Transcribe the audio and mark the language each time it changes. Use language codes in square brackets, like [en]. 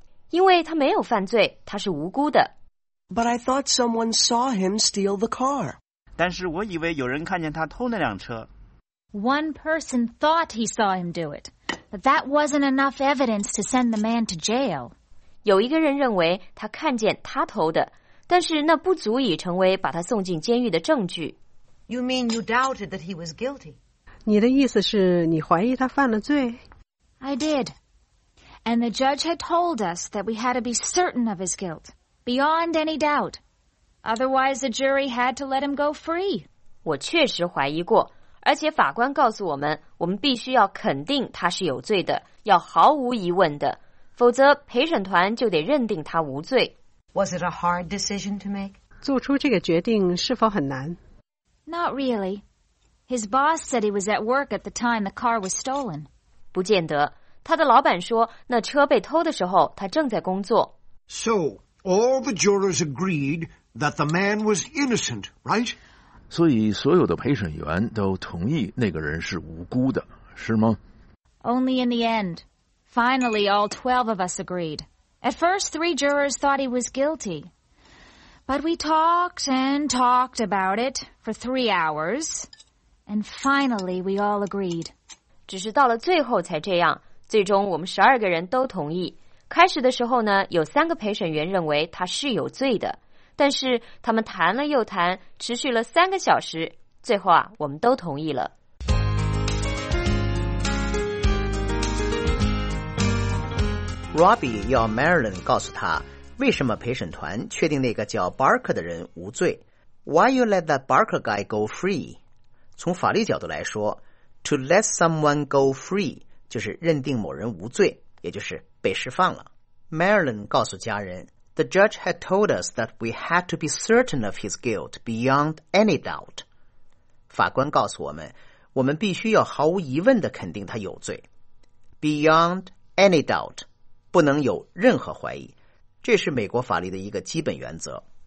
[zh] 因为他没有犯罪,他是无辜的。 [en] But I thought someone saw him steal the car. [zh] 但是我以为有人看见他偷那辆车。 [en] One person thought he saw him do it, but that wasn't enough evidence to send the man to jail. [zh] 有一个人认为他看见他偷的,但是那不足以成为把他送进监狱的证据。 [en] You mean you doubted that he was guilty? [zh] 你的意思是你怀疑他犯了罪? [en] I did. And the judge had told us that we had to be certain of his guilt, beyond any doubt. Otherwise, the jury had to let him go free. [zh] 我确实怀疑过,而且法官告诉我们,我们必须要肯定他是有罪的,要毫无疑问的,否则陪审团就得认定他无罪。 [en] Was it a hard decision to make? [zh] 做出这个决定是否很难? [en] Not really. His boss said he was at work at the time the car was stolen. [zh] 不见得。他的老板说那车被偷的时候他正在工作。 [en] So, all the jurors agreed that the man was innocent, right? [zh] 所以所有的陪审员都同意那个人是无辜的,是吗? [en] Only in the end. Finally, all 12 of us agreed. At first, 3 jurors thought he was guilty. But we talked and talked about it for 3 hours, and finally we all agreed. [zh] 只是到了最后才这样，最终我们12个人都同意。开始的时候呢，有3个陪审员认为他是有罪的，但是他们谈了又谈，持续了3个小时，最后啊，我们都同意了。 Robbie 要 Marilyn 告诉他为什么陪审团确定那个叫 Barker 的人无罪 ? [en] Why you let that Barker guy go free? [zh] 从法律角度来说 , [en] to let someone go free [zh] 就是认定某人无罪也就是被释放了。 [en] Marilyn [zh] 告诉家人 [en] ,the judge had told us that we had to be certain of his guilt beyond any doubt. [zh] 法官告诉我们我们必须要毫无疑问地肯定他有罪。 [en] Beyond any doubt, [zh] 不能有任何怀疑。这是美国法律的一个基本原则。